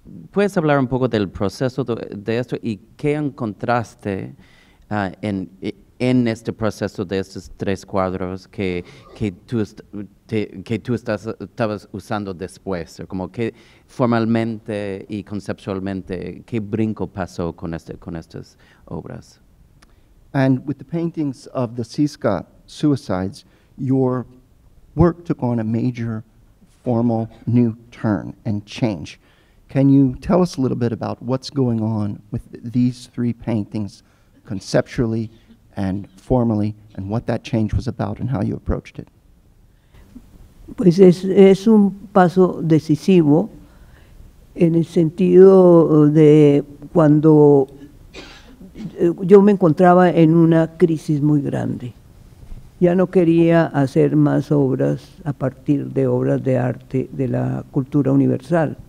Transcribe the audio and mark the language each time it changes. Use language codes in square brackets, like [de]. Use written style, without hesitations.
[es] ¿Puedes hablar un poco del proceso de esto y qué encontraste en este proceso de estos tres cuadros que tú estabas usando después? Como que formalmente y conceptualmente, ¿qué brinco pasó con estas obras? [en] And with the paintings of the Cisca suicides, your work took on a major formal new turn and change. Can you tell us a little bit about what's going on with these three paintings conceptually and formally, and what that change was about and how you approached it? [es] Pues es un paso decisivo en el sentido de cuando yo me encontraba en una crisis muy grande. Ya no quería hacer más obras a partir de obras de arte de la cultura universal.